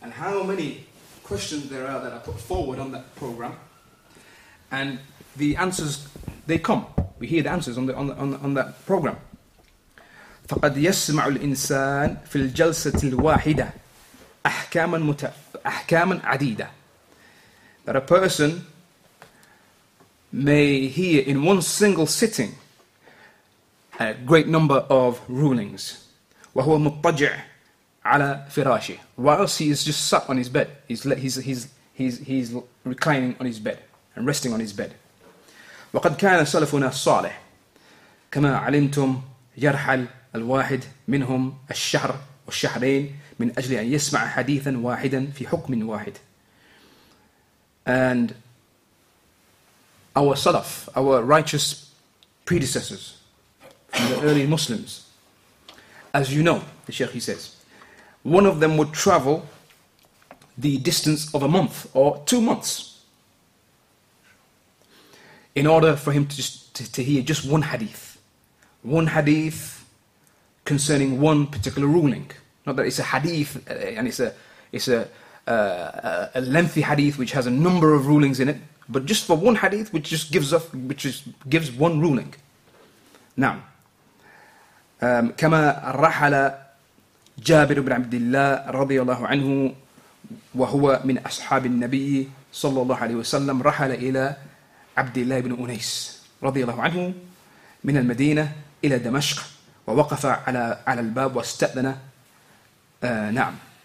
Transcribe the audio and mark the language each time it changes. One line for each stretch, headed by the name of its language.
English: how many questions there are that are put forward on that program, and the answers, they come. We hear the answers on that program.
Arabic: فقد يسمع الإنسان في الجلسة الواحدة أحكاما عديدة.
English: That a person may hear in one single sitting a great number of rulings.
Arabic: وهو مضطجع على فراشه.
English: Whilst he is just sat on his bed, he's reclining on his bed and resting on his bed.
Arabic: وقد كان سلفنا الصالح كما علمتم يرحل الواحد منهم الشهر والشهرين من أجل أن يسمع حديثا واحدا في حكم واحد.
English: And our salaf, our righteous predecessors, from the early Muslims, as you know, the Sheikh, he says, one of them would travel the distance of a month or 2 months in order for him to hear just one hadith. One hadith concerning one particular ruling. Not that it's a hadith and it's a lengthy hadith which has a number of rulings in it, but just for one hadith which just gives off, which is, gives one ruling.
Arabic: Now, كما رحل جابر بن عبد الله رضي الله عنه وهو من أصحاب النبي صلى الله عليه وسلم رحل إلى عبد الله بن أنيس رضي الله عنه من المدينة إلى دمشق ووقف على الباب واستأذن نعم.